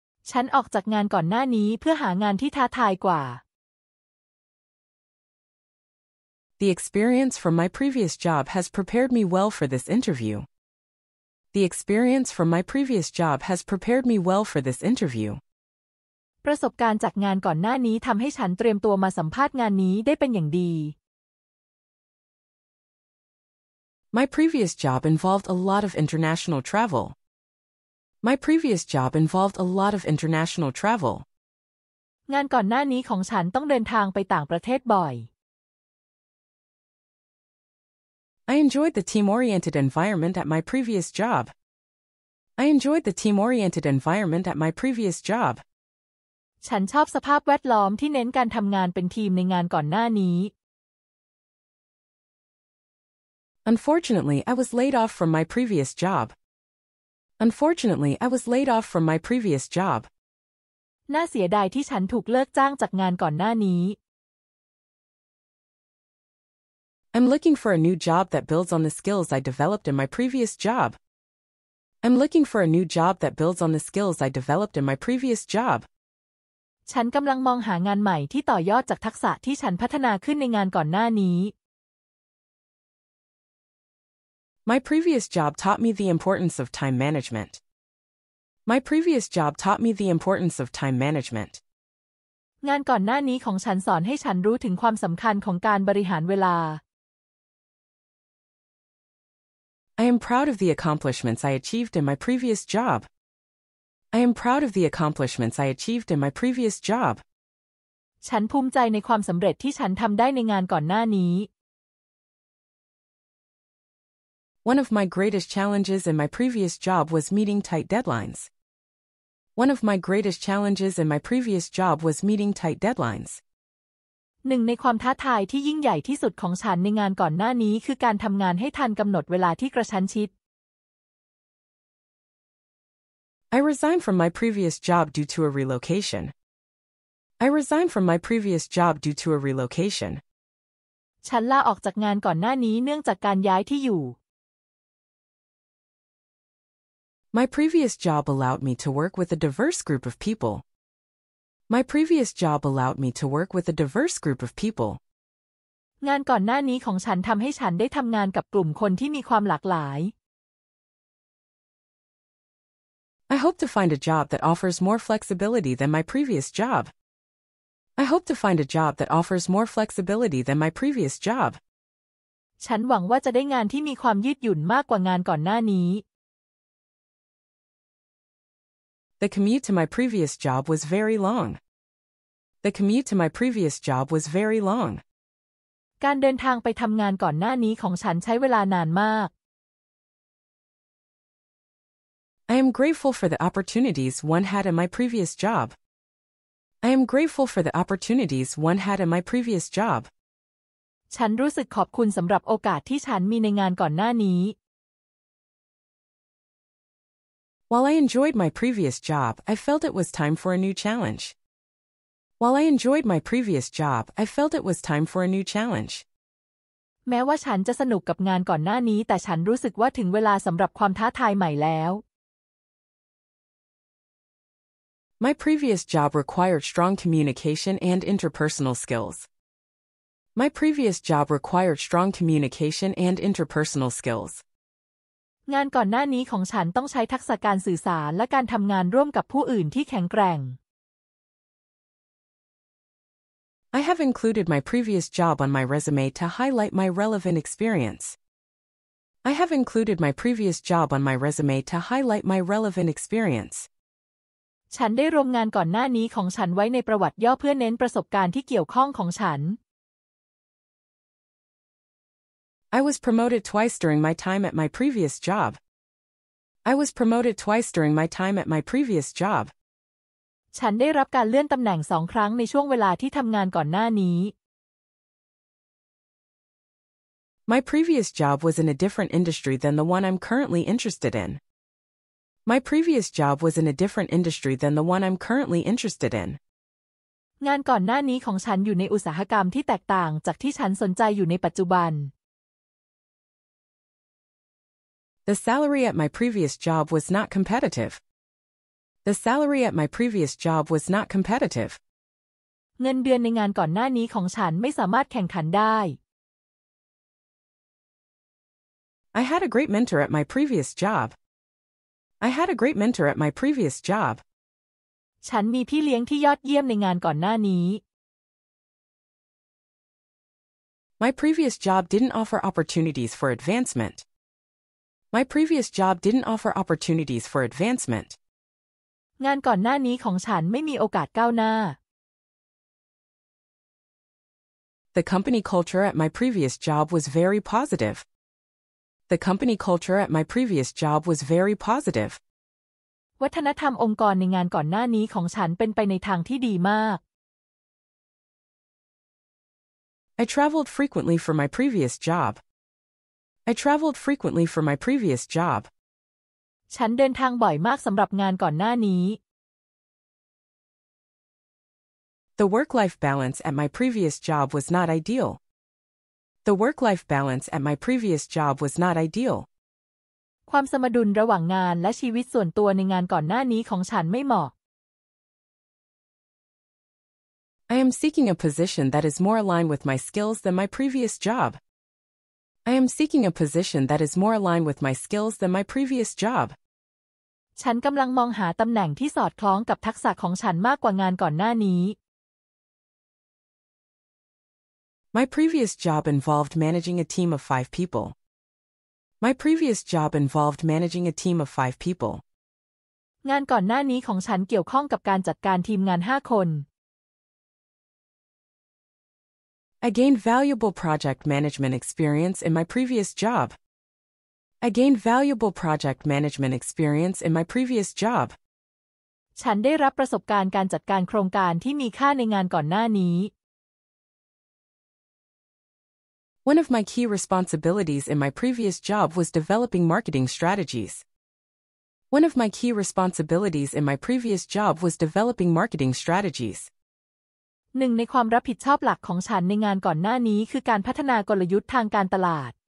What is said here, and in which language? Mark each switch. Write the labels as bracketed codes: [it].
[th] ฉันออกจากงานก่อนหน้านี้เพื่อหางานที่ท้าทายกว่า [en] The experience from my previous job has prepared me well for this interview. The experience from my previous job has prepared me well for this interview. [th] ประสบการณ์จากงานก่อนหน้านี้ทำให้ฉันเตรียมตัวมาสัมภาษณ์งานนี้ได้เป็นอย่างดี [en] My previous job involved a lot of international travel. My previous job involved a lot of international travel. [th] งานก่อนหน้านี้ของฉันต้องเดินทางไปต่างประเทศบ่อย [en] I enjoyed the team-oriented environment at my previous job. I enjoyed the team-oriented environment at my previous job. [th] ฉันชอบสภาพแวดล้อมที่เน้นการทำงานเป็นทีมในงานก่อนหน้านี้ [en] Unfortunately, I was laid off from my previous job. Unfortunately, I was laid off from my previous job. [th] น่าเสียดายที่ฉันถูกเลิกจ้างจากงานก่อนหน้านี้ [en] I'm looking for a new job that builds on the skills I developed in my previous job. I'm looking for a new job that builds on the skills I developed in my previous job. [th] ฉันกำลังมองหางานใหม่ที่ต่อยอดจากทักษะที่ฉันพัฒนาขึ้นในงานก่อนหน้านี้ [en] My previous job taught me the importance of time management. My previous job taught me the importance of time management. [th] งานก่อนหน้านี้ของฉันสอนให้ฉันรู้ถึงความสำคัญของการบริหารเวลา [en] I am proud of the accomplishments I achieved in my previous job. I am proud of the accomplishments I achieved in my previous job. [th] ฉันภูมิใจในความสำเร็จที่ฉันทำได้ในงานก่อนหน้านี้ [en] One of my greatest challenges in my previous job was meeting tight deadlines. One of my greatest challenges in my previous job was meeting tight deadlines. [th] หนึ่งในความท้าทายที่ยิ่งใหญ่ที่สุดของฉันในงานก่อนหน้านี้คือการทำงานให้ทันกำหนดเวลาที่กระชั้นชิด [en] I resigned from my previous job due to a relocation. I resigned from my previous job due to a relocation. [th] ฉันลาออกจากงานก่อนหน้านี้เนื่องจากการย้ายที่อยู่ [en] My previous job allowed me to work with a diverse group of people. My previous job allowed me to work with a diverse group of people. [th] งานก่อนหน้านี้ของฉันทำให้ฉันได้ทำงานกับกลุ่มคนที่มีความหลากหลาย [en] I hope to find a job that offers more flexibility than my previous job. I hope to find a job that offers more flexibility than my previous job. [th] ฉันหวังว่าจะได้งานที่มีความยืดหยุ่นมากกว่างานก่อนหน้านี้ [en] The commute to my previous job was very long. The commute to my previous job was very long. [th] การเดินทางไปทำงานก่อนหน้านี้ของฉันใช้เวลานานมาก [en] I am grateful for the opportunities one had in my previous job. I am grateful for the opportunities one had in my previous job. [th] ฉันรู้สึกขอบคุณสำหรับโอกาสที่ฉันมีในงานก่อนหน้านี้ [en] While I enjoyed my previous job, I felt it was time for a new challenge. While I enjoyed my previous job, I felt it was time for a new challenge. [th] แม้ว่าฉันจะสนุกกับงานก่อนหน้านี้แต่ฉันรู้สึกว่าถึงเวลาสำหรับความท้าทายใหม่แล้ว [en] My previous job required strong communication and interpersonal skills. My previous job required strong communication and interpersonal skills. [th] งานก่อนหน้านี้ของฉันต้องใช้ทักษะการสื่อสารและการทำงานร่วมกับผู้อื่นที่แข็งแกร่ง [en] I have included my previous job on my resume to highlight my relevant experience. I have included my previous job on my resume to highlight my relevant experience. [th] ฉันได้รวมงานก่อนหน้านี้ของฉันไว้ในประวัติย่อเพื่อเน้นประสบการณ์ที่เกี่ยวข้องของฉัน [en] I was promoted twice during my time at my previous job. I was promoted twice during my time at my previous job. [th] ฉันได้รับการเลื่อนตำแหน่งสองครั้งในช่วงเวลาที่ทำงานก่อนหน้านี้ [en] My previous job was in a different industry than the one I'm currently interested in. My previous job was in a different industry than the one I'm currently interested in. [th] งานก่อนหน้านี้ของฉันอยู่ในอุตสาหกรรมที่แตกต่างจากที่ฉันสนใจอยู่ในปัจจุบัน [en] The salary at my previous job was not competitive. The salary at my previous job was not competitive. [th] เงินเดือนในงานก่อนหน้านี้ของฉันไม่สามารถแข่งขันได้ [en] I had a great mentor at my previous job. I had a great mentor at my previous job. [th] ฉันมีพี่เลี้ยงที่ยอดเยี่ยมในงานก่อนหน้านี้ [en] My previous job didn't offer opportunities for advancement. My previous job didn't offer opportunities for advancement. [th] งานก่อนหน้านี้ของฉันไม่มีโอกาสก้าวหน้า [en] The company culture at my previous job was very positive. The company culture at my previous job was very positive. [th] วัฒนธรรมองค์กรในงานก่อนหน้านี้ของฉันเป็นไปในทางที่ดีมาก [en] I traveled frequently for my previous job. I traveled frequently for my previous job. [th] ฉันเดินทางบ่อยมากสำหรับงานก่อนหน้านี้ [en] The work-life balance at my previous job was not ideal. The work-life balance at my previous job was not ideal. [th] ความสมดุลระหว่างงานและชีวิตส่วนตัวในงานก่อนหน้านี้ของฉันไม่เหมาะ [en] I am seeking a position that is more aligned with my skills than my previous job. I am seeking a position that is more aligned with my skills than my previous job. [th] ฉันกำลังมองหาตำแหน่งที่สอดคล้องกับทักษะของฉันมากกว่างานก่อนหน้านี้ [en] My previous job involved managing a team of 5 people. My previous job involved managing a team of 5 people. [th] งานก่อนหน้านี้ของฉันเกี่ยวข้องกับการจัดการทีมงาน 5 คน [en] I gained valuable project management experience in my previous job. I gained valuable project management experience in my previous job. [th] ฉันได้รับประสบการณ์การจัดการโครงการที่มีค่าในงานก่อนหน้านี้ [en] One of my key responsibilities in my previous job was developing marketing strategies. One of my key responsibilities in my previous job was developing marketing strategies. [th] หนึ่งในความรับผิดชอบหลักของฉันในงานก่อนหน้านี้คือการพัฒนากลยุทธ์ทางการตลาด